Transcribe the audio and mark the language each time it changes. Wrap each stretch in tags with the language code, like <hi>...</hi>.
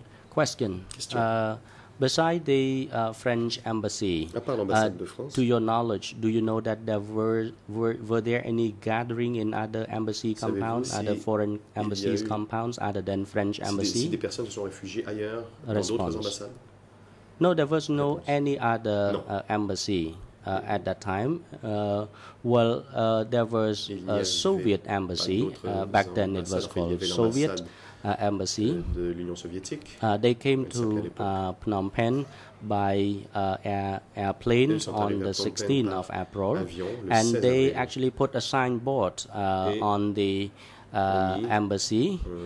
<en>Question. Besides the French embassy,</en> <fr>à part l'ambassade de France,</fr> <en>to your knowledge, do you know that there were there any gathering in other embassy compounds,</en> <fr>si</fr> <en>other foreign embassies compounds other than French embassy?</en> <fr>Si des personnes se sont réfugiées ailleurs dans d'autres ambassades?</fr> <en>No, there was no any other embassy at that time. Well, there was a Soviet embassy back then. It was called Soviet embassy.</en> <fr>De l'Union soviétique.</fr> <en>They came to Phnom Penh by airplane on the 16th of April, and they actually put a signboard on the embassy.</en>